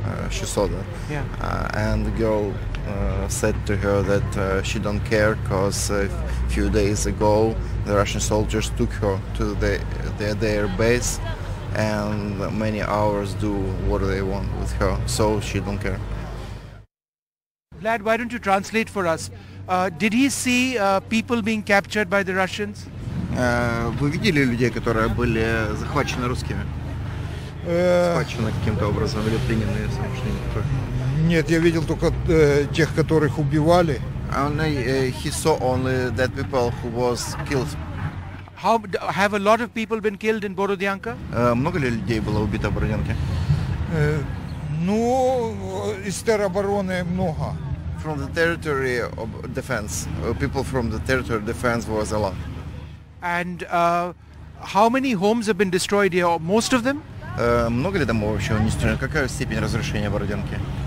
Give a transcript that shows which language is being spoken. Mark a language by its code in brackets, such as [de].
[en] She saw that. And the girl said to her that she don't care because a few days ago the Russian soldiers took her to their base, and many hours do what they want with her, so she don't care. Vlad, why don't you translate for us? Did he see people being captured by the Russians? [ru] Вы видели людей, которые были захвачены русскими? Захвачены каким-то образом или пленены, я сам что-нибудь такое? Нет, я видел только тех, которых убивали. [en] He saw only that people who was killed. How have a lot of people been killed in Borodyanka? [ru] Много ли людей было убито в Бородянке? Ну, из теробороны много. [en] From the territory of defense, people from the territory of defense was a lot. And how many homes have been destroyed here? Most of them? [ru] Много ли домов вообще уничтожено? Какая степень разрушения Бородянки?